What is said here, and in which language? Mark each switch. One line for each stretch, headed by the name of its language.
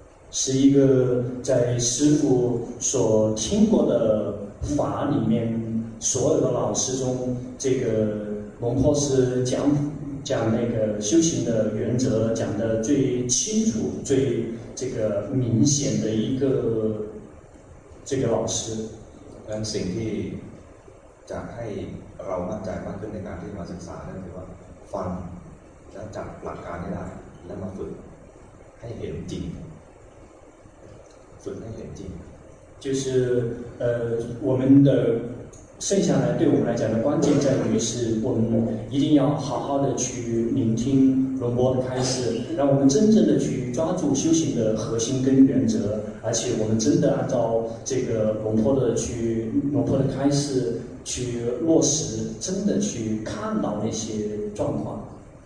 Chinese: 是一个在师父所听过的法里面所有的老师中，这个龙婆是讲那个修行的原则讲的最清楚最这个明显的一个这个老师。
Thai: 嗯，สิ่งที่จะให้เรามั่นใจมากขึ้นในการที่มาศึกษาคือว่าฟังและจับหลักการนี้ได้และมาฝึกให้เห็นจริงฝึกให้เห็นจริง
Chinese: 就是我们的剩下来对我们来讲的关键在于是我们一定要好好的去聆听龙波的开示，让我们真正的去抓住修行的核心跟原则，而且我们真的按照这个龙波的开示去落实，真的去看到那些状况。